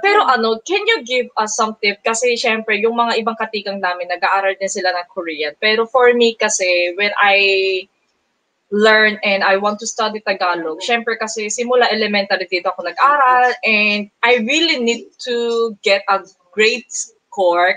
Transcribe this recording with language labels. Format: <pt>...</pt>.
<tl>Pero ano,</tl> <en>can you give us some tip?</en> <tl>Kasi syempre, yung mga ibang katigang namin, nag-aaral din sila ng Korean.</tl> <en>Pero for me kasi, when I learn and I want to study Tagalog,</en> <tl>syempre kasi simula elementary dito ako nag-aral</tl> <en>and I really need to get a great score.</en>